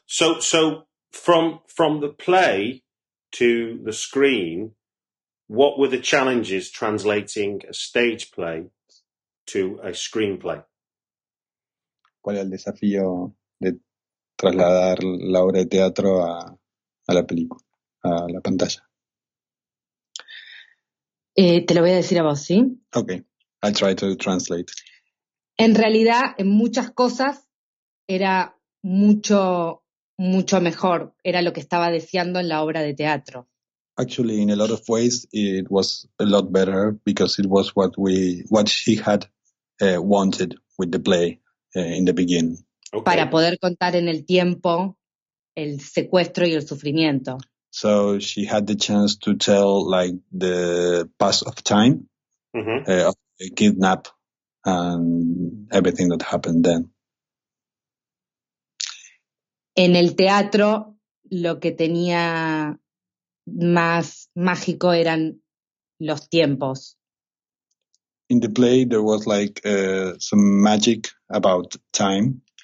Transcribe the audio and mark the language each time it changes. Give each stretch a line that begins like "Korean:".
English: So from the play to the screen, what were the challenges translating a stage play to a screenplay?
Spanish: ¿Cuál es el desafío de trasladar la obra de teatro a la película, a la pantalla? Te lo voy a decir a vos, ¿sí?
English: Okay. I'll try to translate.
Spanish: En realidad, en muchas cosas era mucho, mucho mejor. Era lo que estaba deseando en la obra de teatro.
English: Actually, in a lot of ways, it was a lot better because it was what she had wanted with the play in the beginning. Okay.
Spanish: Para poder contar en el tiempo el secuestro y el sufrimiento.
English: So she had the chance to tell like the pass of time, mm-hmm. Of the kidnap. And everything that happened then.
Spanish: En el teatro, lo que tenía más mágico eran los tiempos.
English: In the play, there was like some magic about time.